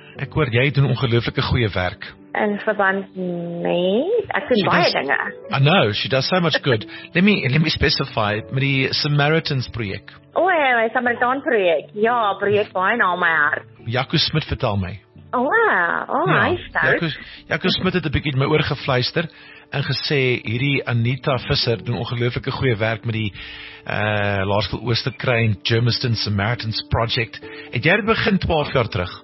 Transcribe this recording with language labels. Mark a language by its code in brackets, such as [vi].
[af] Ek hoor jy doen ongelooflike goeie werk. In verband mee, [en] I know, she does so much good. let me specify, [af] met die [en] Samaritans project. Oh, hey, my Samaritan project. [af] Ja, project baie na my hart. Jaco Smit, vertel my. Oh, hy Jaco Smit het 'n bietjie in my oor gefluister en gesê, hierdie Anita Visser doen ongelooflike goeie werk met die Laerskool Oosterkruin Germiston Samaritans project. Het jy dit begin 12 jaar terug?